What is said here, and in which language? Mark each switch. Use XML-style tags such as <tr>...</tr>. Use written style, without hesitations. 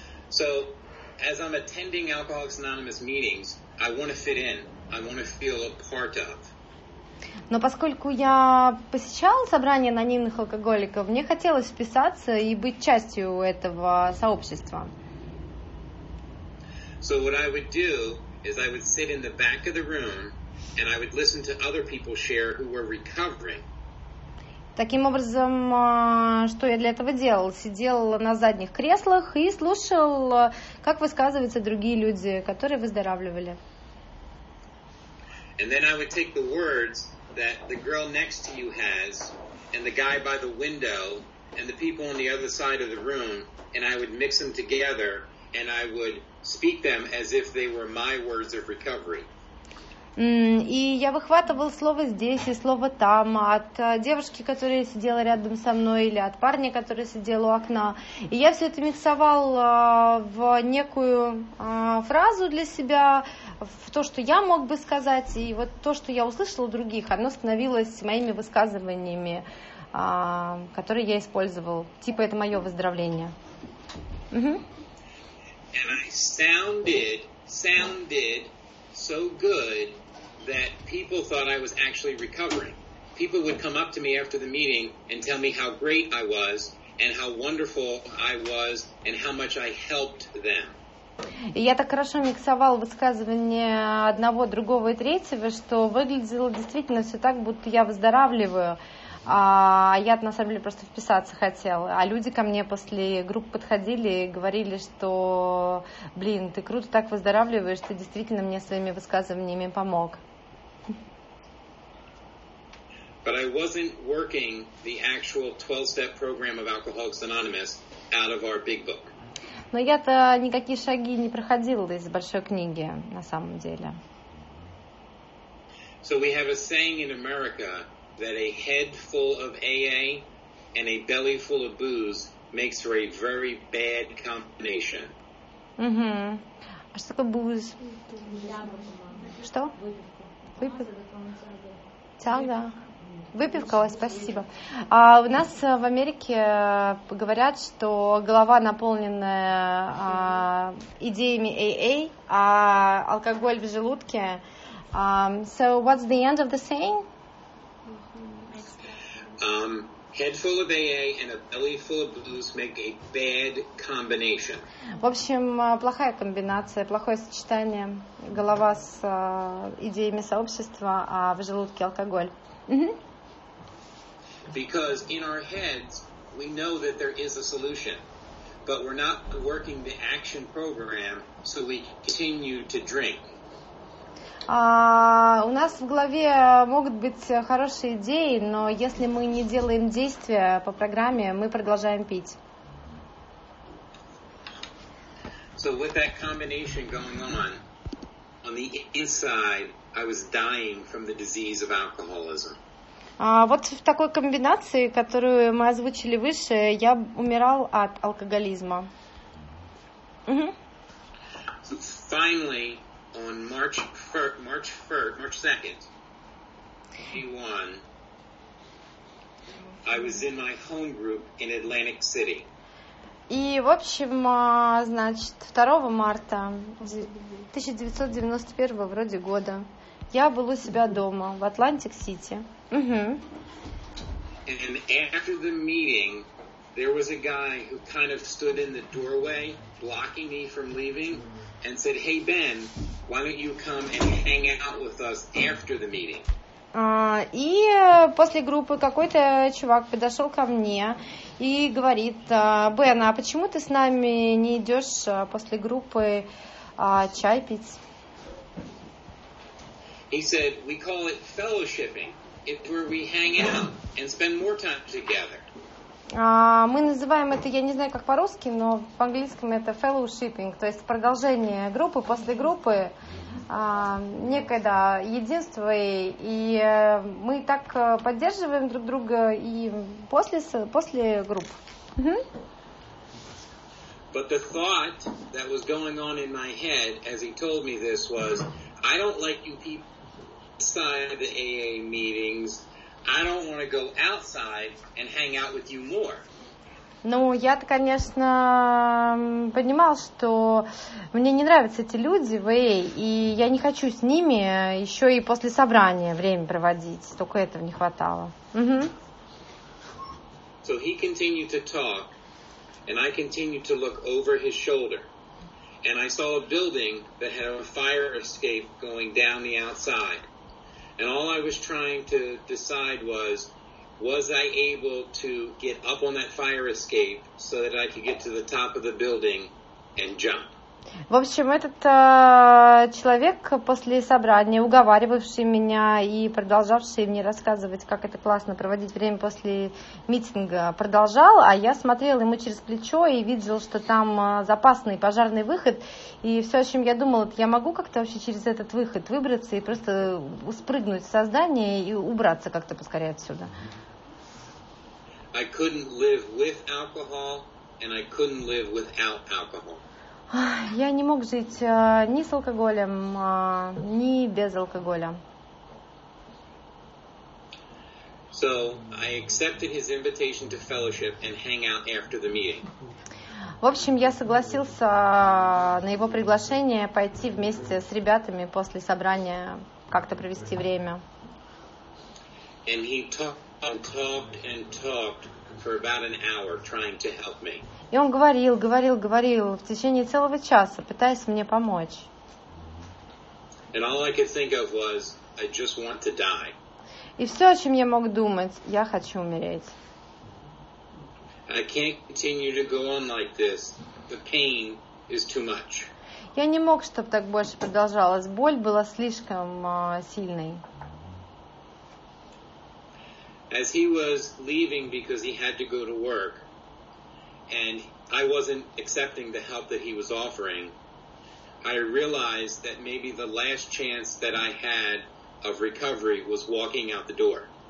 <en>So, as I'm attending Alcoholics Anonymous meetings, I want to fit in. I want to feel a part of.</en> <ru>Но поскольку я посещал собрание анонимных алкоголиков, мне хотелось вписаться и быть частью этого сообщества.</ru> <en>So what I would do is I would sit in the back of the room and I would listen to other people share who were recovering.</en> <ru>Таким образом, что я для этого делал? Сидел на задних креслах и слушал, как высказываются другие люди, которые выздоравливали.</ru> <en>And then I would take the words that the girl next to you has and the guy by the window and the people on the other side of the room and I would mix them together and I would speak them as if they were my words of recovery.</en> <ru>И я выхватывал слово здесь и слово там от девушки, которая сидела рядом со мной, или от парня, который сидел у окна. И я все это миксовал в некую фразу для себя, в то, что я мог бы сказать, и вот то, что я услышала у других, оно становилось моими высказываниями, которые я использовал. Типа, это мое выздоровление.</ru> <en>And I sounded so good that people thought I was actually recovering. People would come up to me after the meeting and tell me how great I was and how wonderful I was and how much I helped them.</en> <ru>Я так хорошо миксовал высказывания одного, другого и третьего, что выглядело действительно все так, будто я выздоравливаю. А я на самом деле просто вписаться хотел. А люди ко мне после групп подходили и говорили, что, блин, ты круто так выздоравливаешь, ты действительно мне своими высказываниями помог.</ru> <en>But I wasn't working the actual 12-step program of Alcoholics Anonymous out of our big book.</en> <ru>но я-то никакие шаги не проходила из большой книги, на самом деле.</ru> <en>So we have a saying in America that a head full of AA and a belly full of booze makes for a very bad combination.</en> <ru>Угу. А что такое booze? Что? Выпивка. Тяга. Выпивка, ой, спасибо. А у нас в Америке говорят, что голова наполнена идеями AA, а алкоголь в желудке.</ru> <en>So what's the end of the saying? Head full of AA and a belly full of booze make a bad combination.</en> <ru>В общем, плохая комбинация, плохое сочетание. Голова с идеями сообщества, а в желудке алкоголь.</ru> <en>Because in our heads we know that there is a solution, but we're not working the action program, so we continue to drink.</en> <ru>У нас в голове могут быть хорошие идеи, но если мы не делаем действия по программе, мы продолжаем пить.</ru> <en>So with that combination going on the inside, I was dying from the disease of alcoholism.</en> <ru>Вот в такой комбинации, которую мы озвучили выше, я умирал от алкоголизма.</ru> <en>So finally, on March 2nd, 2021, I was in my home group in Atlantic City.</en> <ru>И, в общем, значит, 2 марта 1991 вроде года я был у себя дома в Атлантик-Сити.</ru> <en>And after the meeting, there was a guy who kind of stood in the doorway, blocking me from leaving, and said, "Hey Ben, why don't you come and hang out with us after the meeting?"</en> <ru>И после группы какой-то чувак подошел ко мне и говорит: "Бен, а почему ты с нами не идешь после группы чай пить?"</ru> <en>He said, "We call it fellowshipping. It's where we hang out and spend more time together."</en> <ru>Мы называем это, я не знаю, как по-русски, но в английском это fellowshipping, то есть продолжение группы после группы, некое, да, единство, и мы так поддерживаем друг друга и после групп.</ru> <en>But the thought that was going on in my head as he told me this was, "I don't like you people inside the AA meetings. I don't want to go outside and hang out with you more."</en> <ru>Ну, я-то, конечно, понимал, что мне не нравятся эти люди в AA, и я не хочу с ними еще и после собрания время проводить. Только этого не хватало.</ru> <en>So he continued to talk, and I continued to look over his shoulder, and I saw a building that had a fire escape going down the outside. And all I was trying to decide was I able to get up on that fire escape so that I could get to the top of the building and jump?</en> <ru>В общем, этот человек после собрания, уговаривавший меня и продолжавший мне рассказывать, как это классно проводить время после митинга, продолжал, а я смотрел ему через плечо и видел, что там запасный пожарный выход, и все, о чем я думала, это я могу как-то вообще через этот выход выбраться и просто спрыгнуть со здания и убраться как-то поскорее отсюда.</ru> <en>I couldn't live with alcohol, and I couldn't live without alcohol.</en> <ru>Я не мог жить ни с алкоголем, ни без алкоголя.</ru> <en>So I accepted his invitation to fellowship and hang out after the meeting.</en> <ru>В общем, я согласился на его приглашение пойти вместе с ребятами после собрания как-то провести время.</ru> <en>And he talked and talked for about an hour trying to help me.</en> <ru>И он говорил, говорил, говорил в течение целого часа, пытаясь мне помочь. И все, о чем я мог думать, я хочу умереть. Я не мог, чтобы так больше продолжалось. Боль была слишком сильной.</ru> <en>As he was leaving because he had to go to work, and I wasn't accepting the help that he was offering, I realized that maybe the last chance that I had of recovery was walking out the door.</en>